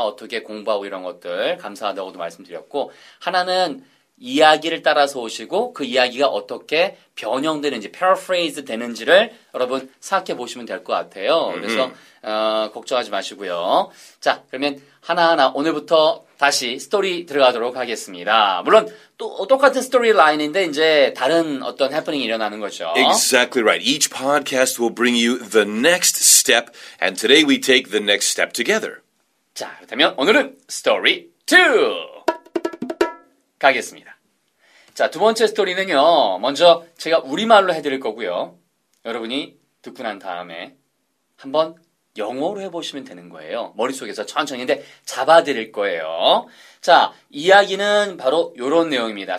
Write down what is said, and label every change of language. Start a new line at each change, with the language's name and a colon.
Korean: 어떻게 공부하고 이런 것들 감사하다고도 말씀드렸고 하나는 이야기를 따라서 오시고 그 이야기가 어떻게 변형되는지 paraphrase 되는지를 여러분 생각해 보시면 될 것 같아요. 그래서 걱정하지 마시고요. 자 그러면 하나하나 오늘부터 다시 스토리 들어가도록 하겠습니다. 물론 똑같은 스토리 라인인데 이제 다른 어떤 해프닝이 일어나는 거죠.
English: Exactly right. Each podcast will bring you the next step and today we take the next step together.
Korean: 자 그렇다면 오늘은 스토리 2 가겠습니다. 자, 두 번째 스토리는요. 먼저 제가 우리말로 해드릴 거고요. 여러분이 듣고 난 다음에 한번 영어로 해보시면 되는 거예요. 머릿속에서 천천히 근데 잡아드릴 거예요. 자, 이야기는 바로 이런 내용입니다.